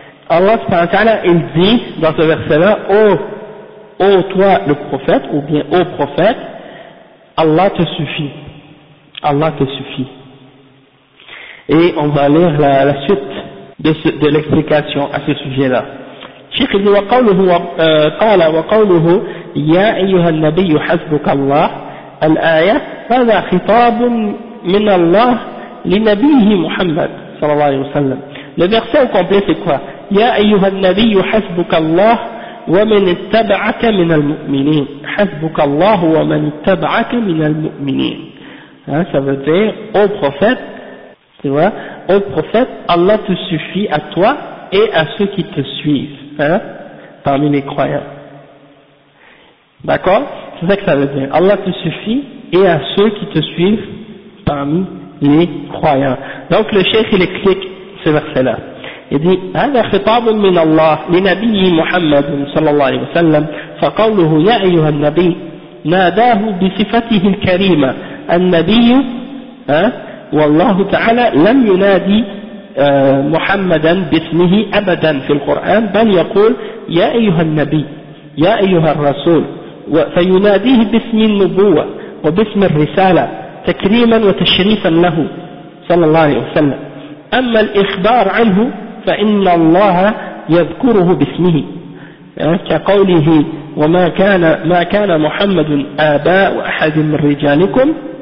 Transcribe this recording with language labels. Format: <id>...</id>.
<fr>Allah سبحانه وتعالى il dit dans ce verset-là, ô toi le prophète, ou bien ô prophète, Allah te suffit. Allah te suffit. Et on va lire la suite de l'explication à ce sujet-là.</fr> <ar>شيخ ابن وقوله قال وقوله يا أيها النبي حسبك الله الآية هذا خطاب من الله لنبيه محمد صلى الله عليه وسلم.</ar> <fr>Le verset au complet c'est quoi?</fr> <ar>يا أيها النبي حسبك الله ومن اتبعك من المؤمنين. حسبك الله ومن اتبعك من المؤمنين.</ar> <fr>Hein, ça veut dire, ô prophète, tu vois, ô prophète, Allah te suffit à toi et à ceux qui te suivent, hein, parmi les croyants. D'accord? C'est ça que ça veut dire. Allah te suffit et à ceux qui te suivent parmi les croyants. Donc le cheikh il explique ce verset-là. Il dit,</fr> <ar>هذا خطاب من الله لنبيه محمد صلى الله عليه وسلم فقوله يا أيها النبي ناداه بصفته الكريمة النبي والله تعالى لم ينادي محمدا باسمه أبدا في القرآن بل يقول يا أيها النبي يا أيها الرسول فيناديه باسم النبوة وباسم الرسالة تكريما وتشريفا له صلى الله عليه وسلم أما الإخبار عنه فإن الله يذكره باسمه كقوله وما كان ما كان محمد آباء أحد من رجالكم</ar>